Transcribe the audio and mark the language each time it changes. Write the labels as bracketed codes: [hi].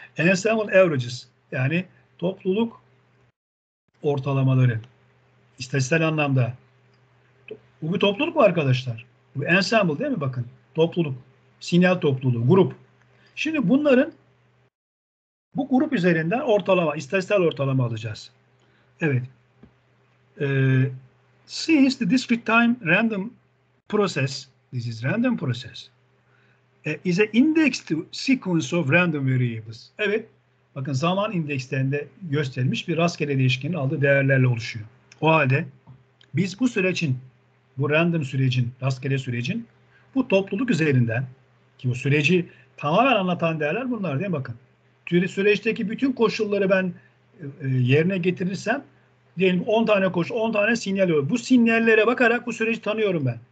[en] Ensemble averages. [tr] Yani topluluk ortalamaları. İstatistiksel anlamda. Bu bir topluluk mu arkadaşlar? Bu ensemble değil mi? Bakın. Topluluk. Sinyal topluluğu. Grup. Şimdi bunların bu grup üzerinden ortalama, istatistiksel ortalama alacağız. Evet. [en] Since the discrete time random process, this is random process, is a indexed sequence of random variables. [tr] Evet, bakın zaman indekslerinde gösterilmiş bir rastgele değişkenin aldığı değerlerle oluşuyor. O halde biz bu sürecin, bu random sürecin, rastgele sürecin, bu topluluk üzerinden, ki bu süreci tamamen anlatan değerler bunlar değil mi? Bakın, süreçteki bütün koşulları ben yerine getirirsem, diyelim 10 tane koşu, 10 tane sinyal oluyor. Bu sinyallere bakarak bu süreci tanıyorum ben.